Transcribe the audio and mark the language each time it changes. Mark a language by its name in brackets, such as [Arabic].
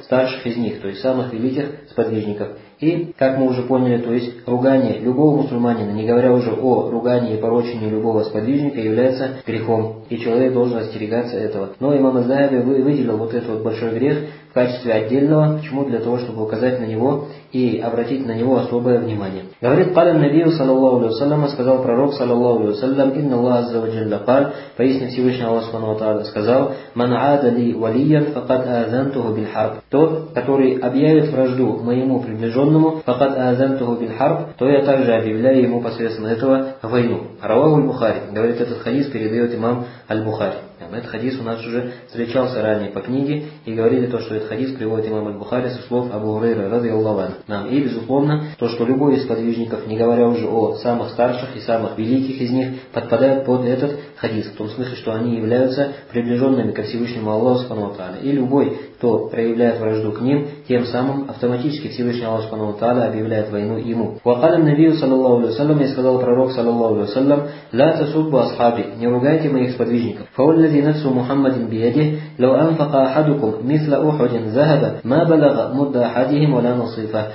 [Russian] Старших из них, то есть самых великих сподвижников. И, как мы уже поняли, то есть ругание любого мусульманина, не говоря уже о ругании и порочении любого сподвижника, является грехом, и человек должен остерегаться этого. Но имам Аз-Захаби выделил вот этот вот большой грех в качестве отдельного, почему? Для того, чтобы указать на него и обратить на него особое внимание. Говорит, [Arabic] قال النبي صلى الله عليه وسلم, [Russian] сказал пророк [Arabic] صلى الله عليه وسلم, إن الله عز وجل قال, [Russian] поистине Всевышний Аллах Субхану ва Тааля сказал, [Arabic] من عاد لي وليا فقد آذنته بالحرب. [Russian] Тот, который объявит вражду моему приближенному, [Arabic] فقد آذنته بالحرب, [Russian] то я также объявляю ему посредством этого войну. [Arabic] Рواه البخاري. [Russian] Говорит, этот хадис передает имам Аль-Бухари. Этот хадис у нас уже встречался ранее по книге, и говорили то, что этот хадис приводит имам Аль-Бухари со слов Абу Хурейры, ради Аллаху анху. И, безусловно, то, что любой из подвижников, не говоря уже о самых старших и самых великих из них, подпадает под этот хадис, в том смысле, что они являются приближенными ко Всевышнему Аллаху Субхану ва Тааля. И любой, кто проявляет вражду к ним, тем самым автоматически Всевышний Аллах Субхану ва Тааля объявляет войну ему. [Arabic] وقال النبي صلى الله عليه وسلم, [Russian] и сказал пророк [Arabic] صلى الله عليه وسلم, لا تسبوا أصحابي, [Russian] не ругайте моих сподвижников. [Arabic] فوالذي نفس محمد بيده لو أنفق أحدكم مثل أحد ذهب ما بلغ مد أحدهم ولا نصيفه.